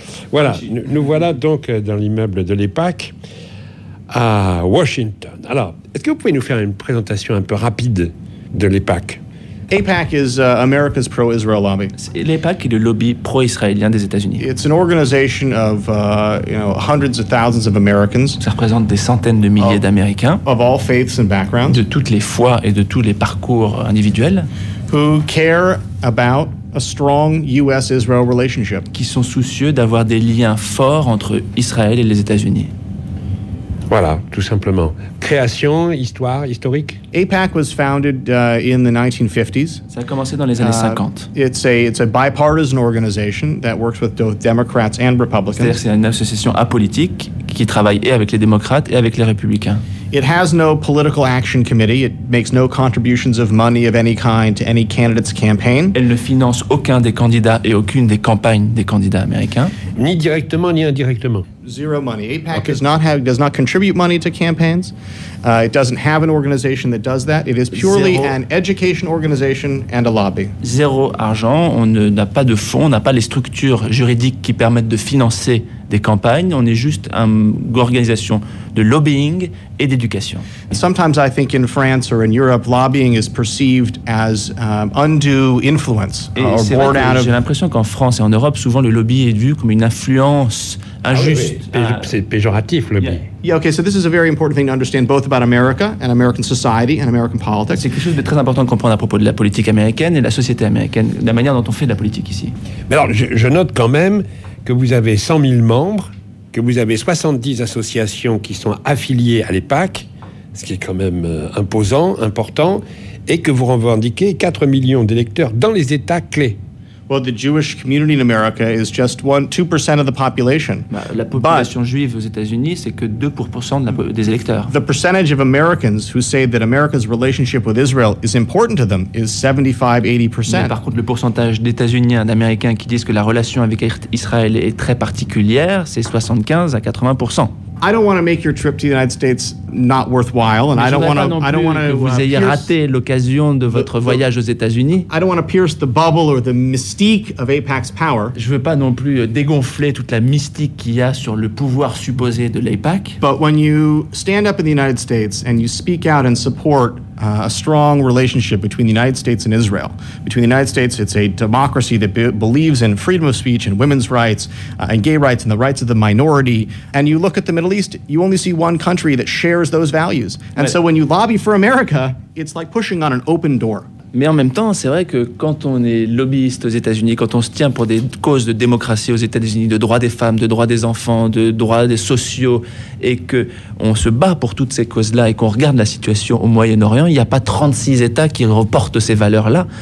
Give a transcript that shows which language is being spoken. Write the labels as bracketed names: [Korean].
[French] Voilà, nous voilà donc dans l'immeuble de l'EPAC à Washington. Alors, est-ce que vous pouvez nous faire une présentation un peu rapide de l'EPAC? [English] APAC is America's pro-Israel lobby. [French] L'EPAC est le lobby pro-israélien des États-Unis. [English] It's an organization of hundreds of thousands of Americans. [French] Ça représente des centaines de milliers d'Américains. [English] Of all faiths and backgrounds. [French] De toutes les fois et de tous les parcours individuels. [English] Who care about a strong U.S.-Israel relationship. [French] Qui sont soucieux d'avoir des liens forts entre Israël et les États-Unis. Voilà, tout simplement. Création, histoire, historique. [English] APAC was founded in the 1950s. [French] Ça a commencé dans les années 50. [English] It's a bipartisan organization that works with both Democrats and Republicans. [French] C'est-à-dire que c'est une association apolitique qui travaille et avec les démocrates et avec les républicains. [English] It has no political action committee. It makes no contributions of money of any kind to any candidate's campaign. [French] Elle ne finance aucun des candidats et aucune des campagnes des candidats américains. Ni directement ni indirectement. [English] Zero money. APAC okay. does not contribute money to campaigns. It doesn't have an organization that does that. It is purely zero. An education organization and a lobby. [French] Zéro argent. On n'a pas de fonds. On n'a pas les structures juridiques qui permettent de financer des campagnes. On est juste une organisation de lobbying et d'éducation. [English] Sometimes I think in France or in Europe, lobbying is perceived as undue influence or born out of. [French] J'ai l'impression qu'en France et en Europe, souvent le lobby est vu comme une influence. Injuste. Ah oui, oui. C'est péjoratif, le lobby. [English] Yeah, okay, so this is a very important thing to understand both about America and American society and American politics. [French] C'est quelque chose de très important de comprendre à propos de la politique américaine et de la société américaine, la manière dont on fait de la politique ici. Mais alors, je note quand même que vous avez 100 000 membres, que vous avez 70 associations qui sont affiliées à l'EPAC, ce qui est quand même imposant, important, et que vous revendiquez 4 millions d'électeurs dans les États clés. [English] Well, the Jewish community in America is just 2% of the population. [French] La population juive aux États-Unis, c'est que 2% des électeurs. [English] The percentage of Americans who say that America's relationship with Israel is important to them is 75-80%. [French] Mais par contre, le pourcentage d'États-Unis d'Américains qui disent que la relation avec Israël est très particulière, c'est 75-80%. [English] I don't want to make your trip to the United States not worthwhile, and I don't want to. [French] Que vous ayez raté l'occasion de votre voyage aux États-Unis. [English] I don't want to pierce the bubble or the mystique of APAC's power. [French] Je veux pas non plus dégonfler toute la mystique qu'il y a sur le pouvoir supposé de l'APAC. [English] But when you stand up in the United States and you speak out and support a strong relationship between the United States and Israel, between the United States, it's a democracy that believes in freedom of speech and women's rights and gay rights and the rights of the minority, and you look at the Middle East, you only see one country that shares those values. And so when you lobby for America, it's like pushing on an open door. [French] Mais en même temps, c'est vrai que quand on est lobbyiste aux États-Unis, quand on se tient pour des causes de démocratie aux États-Unis, de droits des femmes, de droits des enfants, de droits des sociaux, et qu'on se bat pour toutes ces causes-là et qu'on regarde la situation au Moyen-Orient, il n'y a pas 36 États qui reportent ces valeurs-là.